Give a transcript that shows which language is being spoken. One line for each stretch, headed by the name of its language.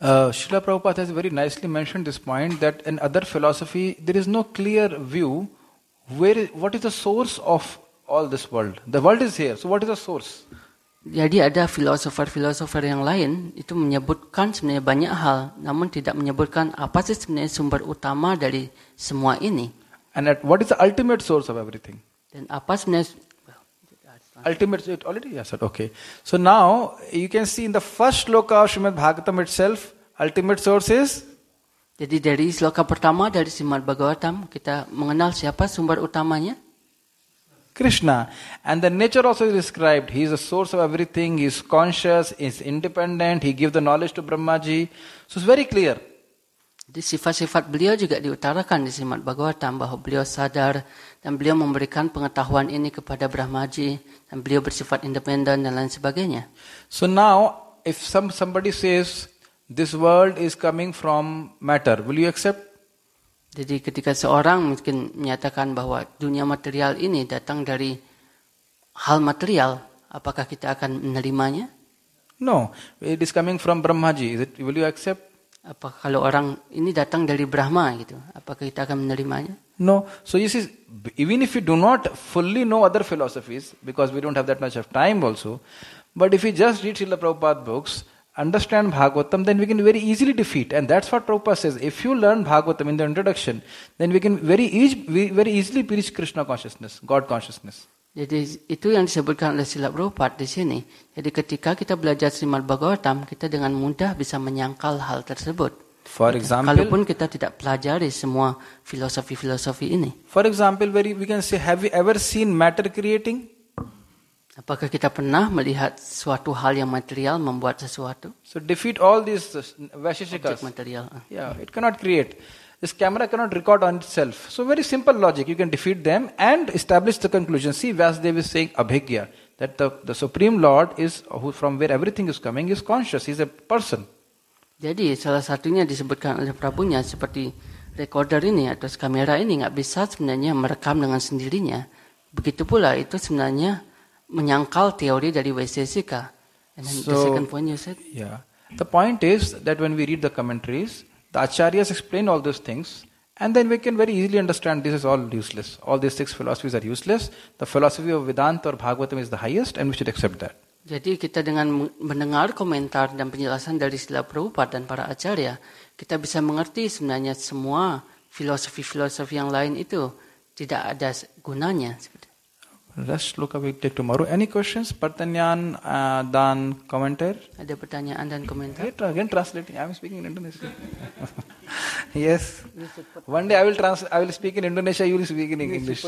English: Srila Prabhupada has very nicely mentioned this point that in other philosophy there is no clear view where what is the source of all this world. The world is here, so what is the source?
Indonesian: Jadi ada filosofer-filosofer yang lain itu menyebutkan sebenarnya banyak hal namun tidak menyebutkan apa sih sebenarnya sumber utama dari semua ini.
English: And at, what is the ultimate source of everything?
Indonesian: Dan apa sebenarnya
English: ultimate it already yes sir okay so now you can see in the first shloka of Srimad Bhagavatam itself ultimate source is
Indonesian: jadi dari shloka pertama dari Srimad Bhagavatam kita mengenal siapa sumber utamanya
English: Krishna and the nature also is described he is the source of everything he is conscious he is independent he gives the knowledge to Brahmaji so it's very clear
Indonesian: di sifat-sifat beliau juga diutarakan di Srimad Bhagavatam bahwa beliau sadar dan beliau memberikan pengetahuan ini kepada Brahmaji dan beliau bersifat independen dan lain sebagainya.
English: So now if somebody says this world is coming from matter, will you accept?
Indonesian: Jadi ketika seorang mungkin menyatakan bahwa dunia material ini datang dari hal material, apakah kita akan menerimanya?
English: No, it is coming from Brahmaji. Is it, will you accept?
Indonesian: Apa kalau orang ini datang dari Brahma gitu, apakah kita akan menerimanya?
English: No, so you see, even if you do not fully know other philosophies, because we don't have that much of time also, but if you just read Srila Prabhupada books, understand Bhagavatam, then we can very easily defeat. And that's what Prabhupada says, if you learn Bhagavatam in the introduction, then we can very easily reach Krishna consciousness, God consciousness.
Indonesian: Jadi itu yang disebutkan oleh Srila Prabhupada di sini. Jadi ketika kita belajar Srimad Bhagavatam, kita dengan mudah bisa menyangkal hal tersebut.
English: For example,
Indonesian: kalaupun kita tidak pelajari semua filosofi-filosofi ini.
English: For example, very we can say, have you ever seen matter creating?
Indonesian: Apakah kita pernah melihat suatu hal yang material membuat sesuatu?
English: So defeat all these vaisheshikas.
Indonesian: Objek material.
English: Yeah, it cannot create. This camera cannot record on itself. So very simple logic. You can defeat them and establish the conclusion. See, Vyasadeva is saying abhigya, that the Supreme Lord is who, from where everything is coming, is conscious. He's a person.
Indonesian: Jadi salah satunya disebutkan oleh Prabhunya seperti recorder ini atau kamera ini enggak bisa sebenarnya merekam dengan sendirinya. Begitu pula itu sebenarnya menyangkal teori dari Vaisheshika.
English: And then so, the second point you said. Yeah. The point is that when we read the commentaries, the acharyas explain all those things and then we can very easily understand this is all useless. All these six philosophies are useless. The philosophy of Vedanta or Bhagavatam is the highest and we should accept that.
Indonesian: Jadi kita dengan mendengar komentar dan penjelasan dari Srila Prabhupada dan para acharya, kita bisa mengerti sebenarnya semua filosofi-filosofi yang lain itu tidak ada gunanya.
English: Let's look at it tomorrow. Any questions?
Indonesian: Pertanyaan dan komentar? Ada pertanyaan dan komentar?
English: Again translating. I'm speaking in Indonesia. Yes. One day I will speak in Indonesia. You will speak in English.